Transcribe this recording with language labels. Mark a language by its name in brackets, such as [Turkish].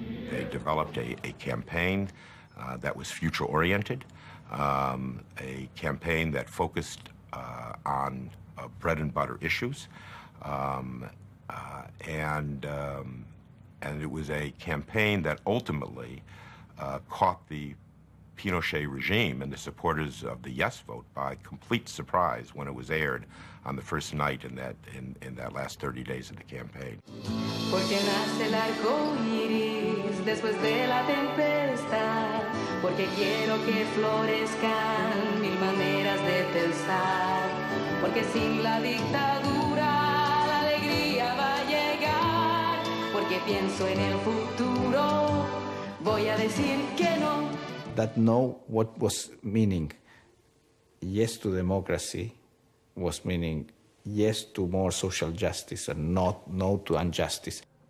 [English] They developed a campaign that was future-oriented, a campaign that focused on bread-and-butter issues, and it was a campaign that ultimately caught the Pinochet regime and the supporters of the yes vote by complete surprise when it was aired on the first night in that last 30 days of the campaign. [Spanish] Porque nace el arco iris después de la tempestad, porque quiero que florezcan mil maneras de pensar, porque sin la dictadura la alegría va a llegar, porque pienso en el futuro, voy a decir que no. [English] That know what was meaning yes to democracy was meaning yes to more social justice and not no to injustice.